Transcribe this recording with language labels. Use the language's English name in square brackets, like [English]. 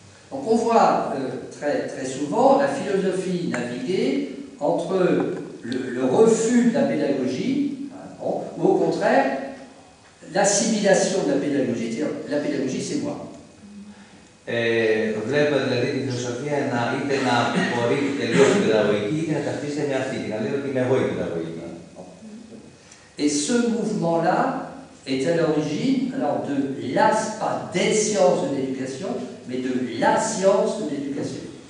[French] Donc on voit très, très souvent la philosophie naviguer entre le refus de la pédagogie, hein, ou au contraire, l'assimilation de la pédagogie, c'est-à-dire la pédagogie c'est moi. [Greek] Βλέπω δηλαδή τη φιλοσοφία να είτε να απορρίπτει τελείως την παιδαγωγική είτε να ταυτίσει μια αυτή, να λέει ότι είμαι εγώ η παιδαγωγική. [French] Et ce mouvement-là est à l'origine alors de la, pas des sciences de l'éducation, mais de la science de l'éducation.